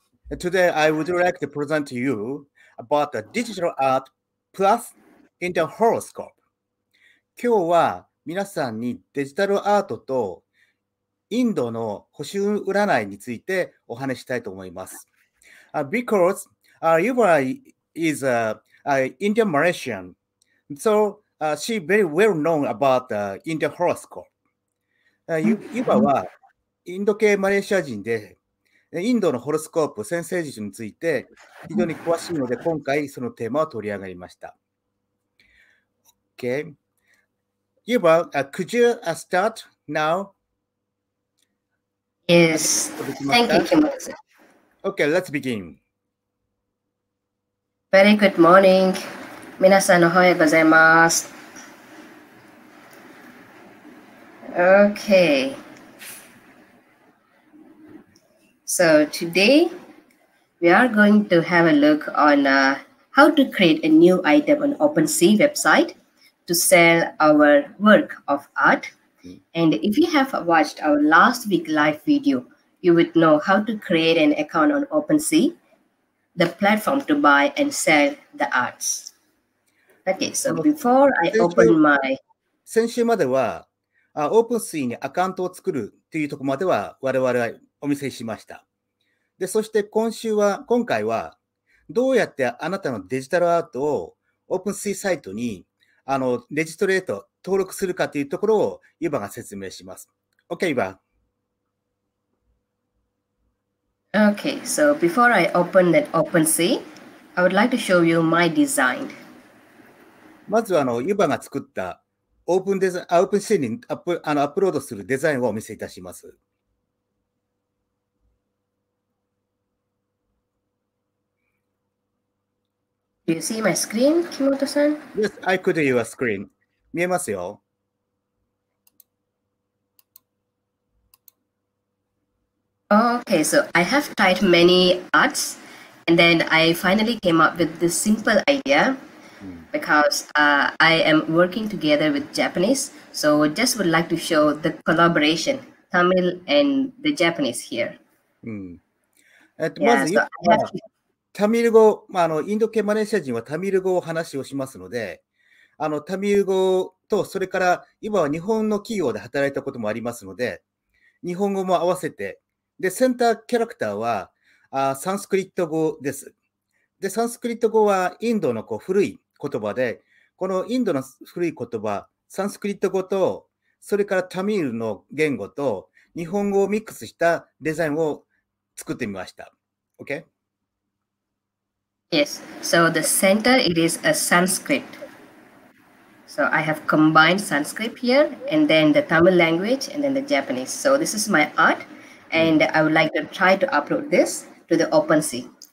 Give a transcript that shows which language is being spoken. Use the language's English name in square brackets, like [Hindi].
[English] Today, I would like to present to you about the digital art plus in the horoscope. [Japanese] 今日は皆さんにデジタルアートとインドの星占いについてお話したいと思います。 [English] Because Yuva is an Indian Malaysian, so she very well known about the Indian horoscope. [Japanese] Yuva はインド系マレーシア人で、インドのホロスコープ、占星術について非常に詳しいので、今回そのテーマを取り上がりました。 [English] Okay. Yuva, could you start now? Yes. Thank you, Kimura-san. Okay, let's begin. Very good morning. [Japanese] 皆さんおはようございます。 [English] Okay. So today, we are going to have a look on how to create a new item on OpenSea website to sell our work of art. And if you have watched our last week live video, you would know how to create an account on OpenSea, the platform to buy and sell the arts. Okay, so before I open my... [Japanese] 先週までは、OpenSea にアカウントを作るというところまでは我々はお見せしました。で、そして今回は、どうやってあなたのデジタルアートを OpenSea サイトにレジストレート、登録するかというところをユバが説明します。 [English] OK, ユバ。 OK, so before I open that OpenSea, I would like to show you my design. [Japanese] まずはユバが作った OpenSea にアップロードするデザインをお見せいたします。 [English] Do you see my screen, Kimoto-san? Yes, I could see your screen. [Japanese] 見えますよ。 [English] Okay, so I have tried many arts, and then I finally came up with this simple idea, because I am working together with Japanese, so just would like to show the collaboration, Tamil and the Japanese here. [Japanese] まず、タミル語、インド系マレーシア人はタミル語を話をしますので、タミル語と、それから今は日本の企業で働いたこともありますので、日本語も合わせて、で、センターキャラクターはサンスクリット語です。で、サンスクリット語はインドの古い言葉で、このインドの古い言葉、サンスクリット語と、それからタミールの言語と、日本語をミックスしたデザインを作ってみました。 [English] OK? Yes, so the center, it is a Sanskrit. So I have combined Sanskrit here, and then the Tamil language, and then the Japanese. So this is my art, and I would like to try to upload this to the OpenSea.